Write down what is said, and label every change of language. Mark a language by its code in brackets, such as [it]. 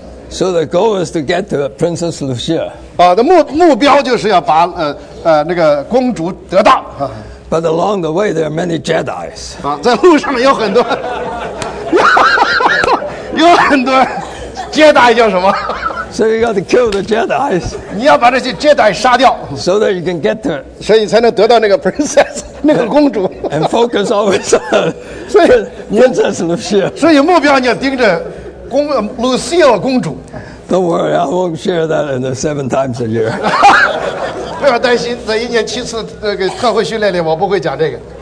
[en] So the goal is to get to Princess Lucia. [zh] 的目标就是要把那个公主得到。 [en] But along the way, there are many Jedi's. [zh] 在路上有很多，有很多 Jedi 叫什么 [en] ？So you got to kill the Jedi's. [zh] 你要把这些 Jedi 杀掉。 [en] So that you can get to. [zh] 所以才能得到那个 princess， 那个公主。 [en] And focus always on. 所以 princess Lucia. [zh] 所以目标你要盯着公 Lucia 公主。 [en] Don't worry, I won't share that in the seven times a year. [zh] 不要担心，在一年七次那个特会训练里，我不会讲这个。